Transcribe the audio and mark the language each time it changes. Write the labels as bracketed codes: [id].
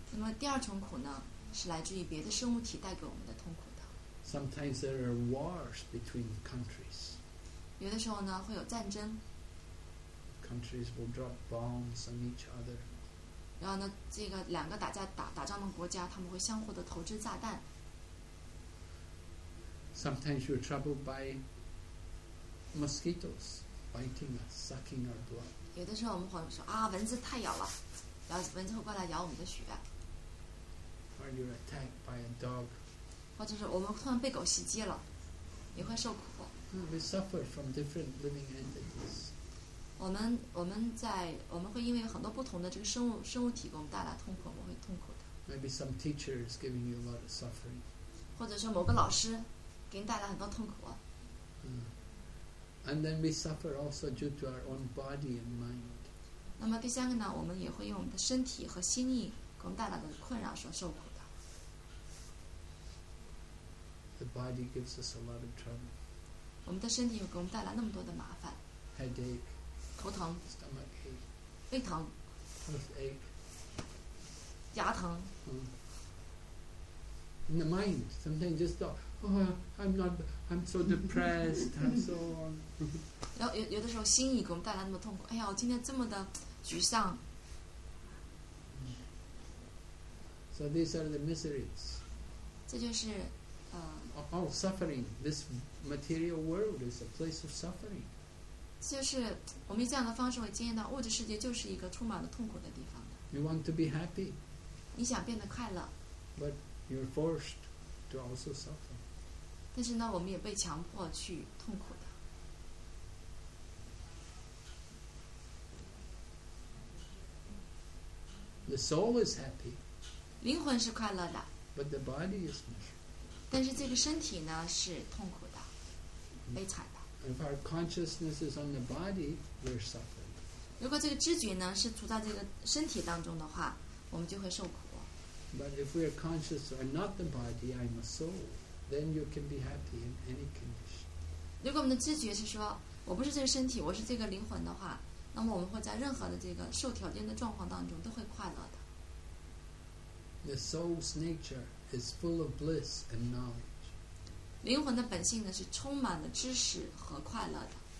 [zh] 那么第二重苦呢，是来自于别的生物体带给我们的痛苦。 [en] Sometimes there are wars between countries. [zh] 有的时候呢，会有战争。 [en] Countries will drop bombs on each other. [zh] 然后呢，这个两个打仗的国家，他们会相互的投掷炸弹。 [en] Sometimes you're troubled by mosquitoes biting us, sucking our blood. [zh] 有的时候我们会说啊，蚊子太咬了，然后蚊子会过来咬我们的血。 [en] Or you're attacked by a dog. [zh] 或者是我们突然被狗袭击了，也会受苦。 [en] We suffer from different living entities. [zh] 我们会因为很多不同的这个生物体给我们带来痛苦，我们会痛苦的。 [en] Maybe some teacher is giving you a lot of suffering. [zh] 或者是某个老师给你带来很多痛苦。 [en] And then we suffer also due to our own body and mind. [zh] 那么第三个呢，我们也会因为我们的身体和心意给我们带来的困扰所受苦。 [en] The body gives us a lot of trouble. [zh] 我们的身体又给我们带来那么多的麻烦。 [en] Headache. [zh] 头疼。 [en] Stomach ache. [zh] 胃疼。 [en] Toothache. [zh] 牙疼。 [en] In the mind, sometimes just thought, oh, I'm so depressed, and so on. [zh] 有的时候，心意给我们带来那么痛苦。哎呀，我今天这么的沮丧。 [en] So these are the miseries. [zh] 这就是。 [en] All suffering. This material world is a place of suffering. [zh] 就是我们以这样的方式会经验到物质世界就是一个充满了痛苦的地方的。 [en] You want to be happy. [zh] 你想变得快乐。 [en] But you're forced to also suffer. [zh] 但是呢，我们也被强迫去痛苦的。 [en] The soul is happy. [zh] 灵魂是快乐的。 [en] But the body is miserable. [zh] 但是这个身体呢是痛苦的，悲惨的。 [en] If our consciousness is on the body, we're suffering. [zh] 如果这个知觉呢是处在这个身体当中的话，我们就会受苦。 [en] But if we are conscious and not the body, I'm a soul, then you can be happy in any condition. [zh] 如果我们的知觉是说我不是这个身体，我是这个灵魂的话，那么我们会在任何的这个受条件的状况当中都会快乐的。 [en] The soul's nature. Is full of bliss and knowledge. [zh] 灵魂的本性呢是充满了知识和快乐的。